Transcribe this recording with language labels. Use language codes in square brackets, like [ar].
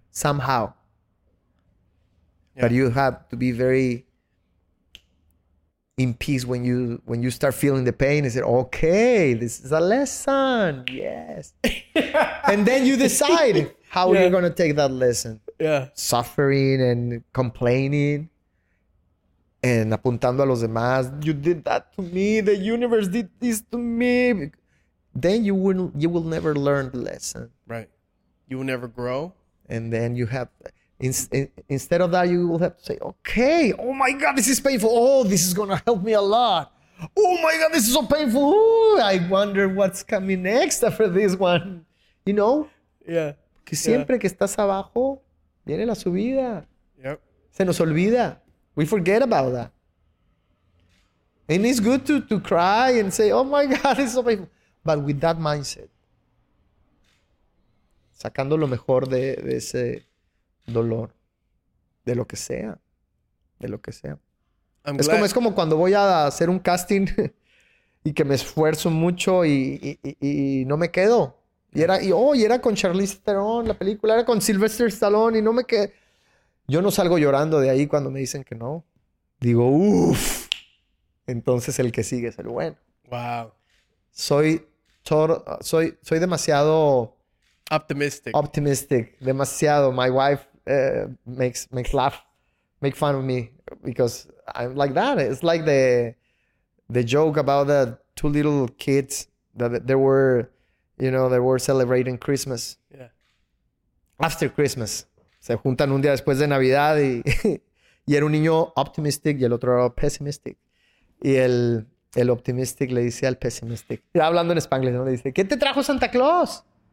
[en] Somehow. Yeah. But you have to be very in peace when you start feeling the pain, is it okay, this is a lesson, yes. And then you decide how you're going to take that lesson. Yeah. Suffering and complaining and [es] apuntando a los demás. [en] You did that to me. The universe did this to me. Then you will never learn the lesson. Right. You will never grow. And then you have, instead of that, you will have to say, okay, oh my God, this is painful. Oh, this is going to help me a lot. Oh my God, this is so painful. Ooh, I wonder what's coming next after this one. You know? Yeah. [es] Que siempre que estás abajo, viene la subida. [en] Yep. [es] Se nos olvida. [en] We forget about that. And it's good to cry and say, oh my God, it's so painful. But with that mindset, [es] sacando lo mejor de ese dolor, de lo que sea, [en] de lo que sea. [es] Es como cuando voy a hacer un casting y que me esfuerzo mucho y no me quedo. Y era con Charlize Theron, la película, era con Sylvester Stallone y no me quedé. Yo no salgo llorando de ahí cuando me dicen que no. Digo, uff. Entonces el que sigue es el bueno. [en] Wow. [es] Soy demasiado... [en] Optimistic. [es] Demasiado. [en] My wife makes fun of me because I'm like that. It's like the joke about the two little kids that they were, you know, they were celebrating Christmas. Yeah. After Christmas. [es] Se juntan un día después de Navidad y era un niño optimistic y el otro era pessimistic. Y el optimistic le dice al pessimistic, hablando en español, ¿no? Le dice, ¿qué te trajo Santa Claus?